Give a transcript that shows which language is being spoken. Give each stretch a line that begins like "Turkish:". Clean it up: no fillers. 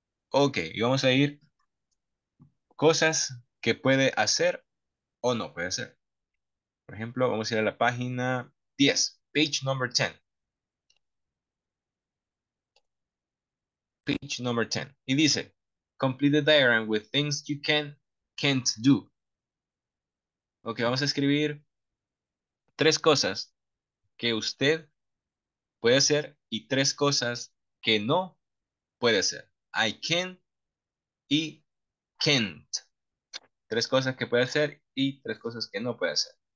Spanish: Okay, y vamos a ir cosas que puede hacer o no puede hacer. Por ejemplo, vamos a ir a la página 10,
English: page number 10. Page number 10.
Spanish: Y dice,
English: complete the diagram with things you can, can't do.
Spanish: Ok, vamos a escribir 3 cosas que usted puede hacer y 3 cosas que no puede hacer.
English: I can
Spanish: y
English: can't.
Spanish: 3 cosas que puede hacer y 3 cosas que no puede hacer.